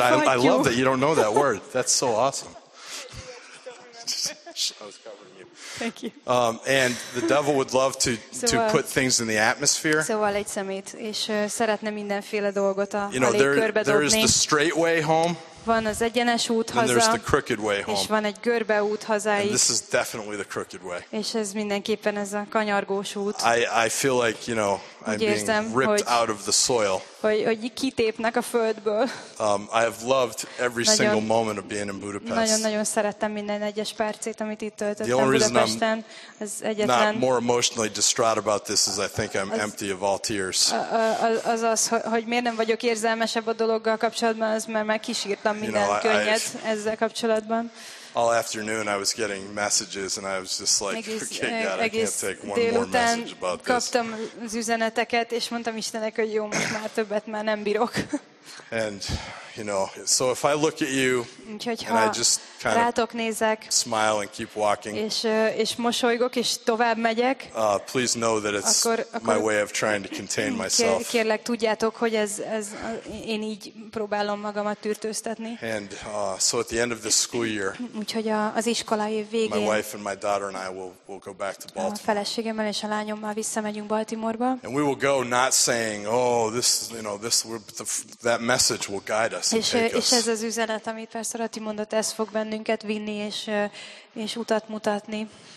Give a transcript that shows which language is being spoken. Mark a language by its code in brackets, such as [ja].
[en] I love that you don't know that word. That's so awesome. I was covering you. Thank you. And the devil would love to put things in the atmosphere. [hu] Szóval egy szemét, és szeretne mindenféle dolgot a légkörbe dobni. [en] There is the straight way home. [hu] Van az egyenes út haza. [en] And there's the crooked way home. [hu] És van egy görbe út haza is. [en] And this is definitely the crooked way. [hu] És ez mindenképpen ez a kanyargós út. [en] I feel like, you know, I'm being ripped out of the soil. [hu] Hogy kitépnek a földből. [en] I have loved every single moment of being in Budapest. [hu] Nagyon-nagyon szerettem minden egyes percét, amit itt töltöttem Budapesten. Az egyetlen. [en] Not more emotionally distraught about this is I think I'm empty of all tears. [hu] Az, hogy miért nem vagyok érzelmesebb a dologgal kapcsolatban, az mert már kisírtam minden könnyet ezzel kapcsolatban. [en] All afternoon I was getting messages and I was just like, okay, God, I can't take one more message about this. [hu] Kaptam az üzeneteket, és mondtam Istennek, hogy jó, most már többet már nem bírok. [en] And, you know, so if I look at you, [hu] úgyhogy, [en] and I just kind [hu] rátok nézek, [en] smile and keep walking, [hu] és mosolygok, és tovább megyek, [en] please know that it's [hu] akkor [en] my way of trying to contain myself. [hu] Kérlek, tudjátok, hogy ez én így próbálom magamat tűrtőztetni. [en] And so at the end of the school year, [hu] úgyhogy az iskola év végén, [en] my wife and my daughter and I will go back to Baltimore. [hu] A feleségemmel és a lányommal visszamegyünk Baltimore-ba. [en] And we will go not saying, oh, this, you know, this, that message will guide us and take us. [hu] És ez az üzenet, amit Pastor Ati mondott, ez fog bennünket vinni és utat mutatni.